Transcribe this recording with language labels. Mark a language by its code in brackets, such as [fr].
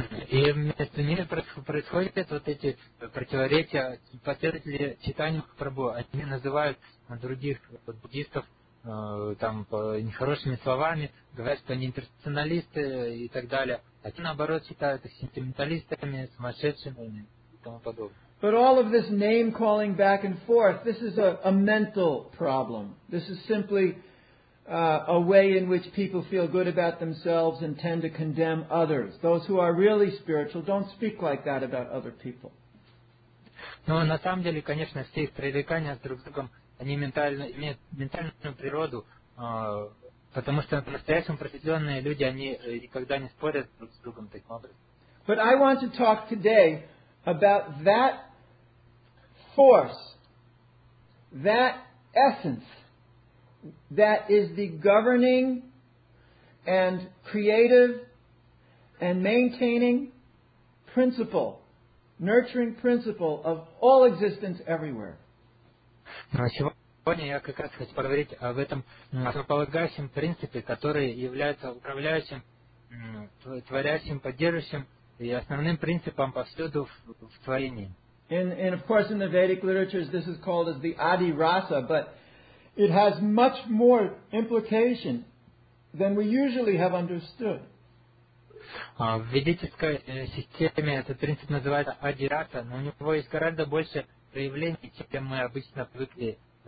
[ru] И между ними происходят вот эти противоречия. Последователи Чайтанья Махапрабху, они называют других буддистов там нехорошими словами, говорят, что они интернационалисты и так далее. А те, наоборот, считают их сентименталистами, сумасшедшими и тому подобное. [en] But all of this name-calling back and forth, this is a mental problem. This is simply a way in which people feel good about themselves and tend to condemn others. Those who are really spiritual don't speak like that about other people. [ru] Но на самом деле, конечно, все их пререкания с друг с другом, они имеют ментальную природу, потому что по-настоящему просветленные люди, они никогда не спорят друг с другом таким образом. [en] But I want to talk today about that force, that essence that is the governing and creative and maintaining principle, nurturing principle of all existence everywhere. [ru] Сегодня я как раз хочу поговорить об этом основополагающем принципе, который является управляющим, творящим, поддерживающим и основным принципом повсюду в творении. [en] And of course in the Vedic literatures this is called as the Adi Rasa, but it has much more implication than we usually have understood. [ru] В ведической системе этот принцип называется Adi Rasa, но у него есть гораздо больше проявлений, чем мы обычно привыкли.